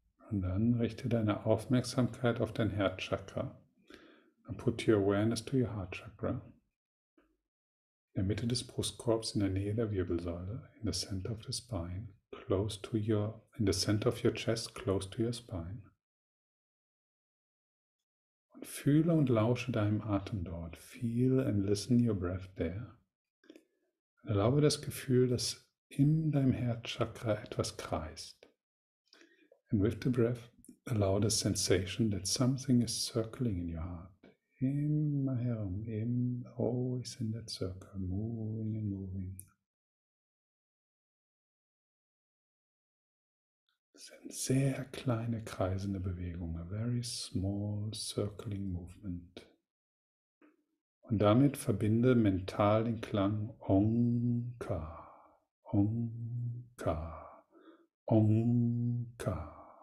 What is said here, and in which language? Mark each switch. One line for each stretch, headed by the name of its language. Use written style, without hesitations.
German: Und dann richte deine Aufmerksamkeit auf dein Herzchakra.
English: And put your awareness to your heart chakra.
German: In der Mitte des Brustkorbs, in der Nähe der Wirbelsäule,
English: in the center of the spine, close to your, in the center of your chest, close to your spine.
German: Und fühle und lausche deinem Atem dort.
English: Feel and listen your breath there.
German: Und erlaube das Gefühl, dass in deinem Herzchakra etwas kreist.
English: And with the breath, allow the sensation that something is circling in your heart.
German: Immer herum,
English: always in that circle, moving and moving.
German: Das sind sehr kleine kreisende Bewegungen,
English: a very small circling movement.
German: Und damit verbinde mental den Klang Omka, Omka, Omka.